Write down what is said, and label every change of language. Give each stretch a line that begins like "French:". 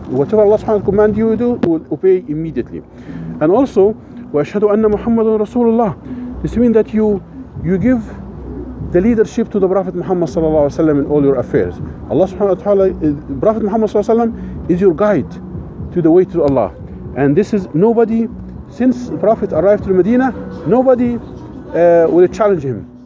English: Whatever Allah subhanahu wa ta'ala command you do, will obey immediately. And also,
Arabic: وَأَشْهَدُ أَنَّ مُحَمَّدٌ رَسُولُ اللَّهِ.
English: This means that you give the leadership to the Prophet Muhammad sallallahu alaihi wasallam in all your affairs. Allah subhanahu wa ta'ala, Prophet Muhammad sallallahu alaihi wasallam is your guide to the way to Allah. And this is nobody, since the Prophet arrived to Medina, nobody will challenge him.